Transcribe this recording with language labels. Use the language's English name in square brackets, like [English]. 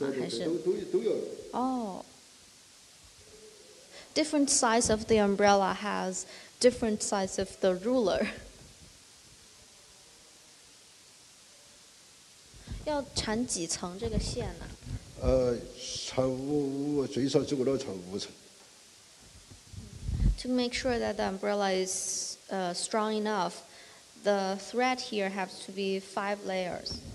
[Chinese] 它每个要均匀。嗯，哪个都要均匀。这要缠得很紧吗？哦。那更大一点的伞是要用更大一点的尺子吗？还是？都要。哦。 [English] Different size of the umbrella has different size of the ruler. [Chinese] 要缠几层这个线呢？缠五，最少足够了缠五层。 [English] To make sure that the umbrella is strong enough, the thread here has to be 5 layers.